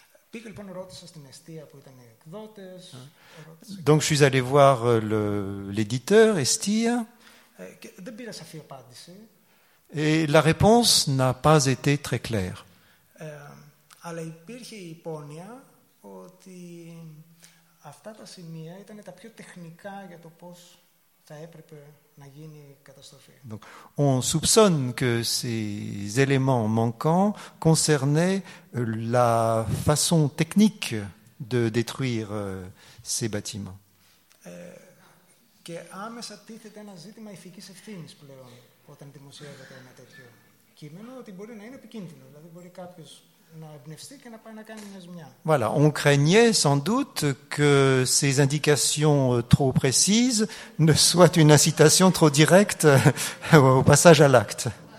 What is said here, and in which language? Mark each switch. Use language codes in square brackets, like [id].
[el] Πήγε λοιπόν, ρώτησα στην Εστία που ήταν εκδότες. [fr] Donc, je suis allé voir l'éditeur, Εστία. [el] Δεν πήρα σαφή απάντηση. [fr] Et la réponse n'a pas été très claire. [el] Αλλά υπήρχε η υπόνοια ότι αυτά τα σημεία ήταν τα πιο τεχνικά για το πώς θα έπρεπε να γίνει η καταστροφή. [fr] Donc, on soupçonne que ces éléments manquants concernaient la façon technique de détruire ces bâtiments. [el] Και άμεσα τίθεται ένα ζήτημα ηθικής ευθύνης πλέον όταν δημοσιεύεται ένα τέτοιο κείμενο, ότι μπορεί να είναι επικίνδυνο, δηλαδή μπορεί κάποιος να εμπνευστεί και να πάει να κάνει μια ζημιά. [fr] Voilà, on craignait sans doute que ces indications trop précises ne soient une incitation trop directe au passage à l'acte.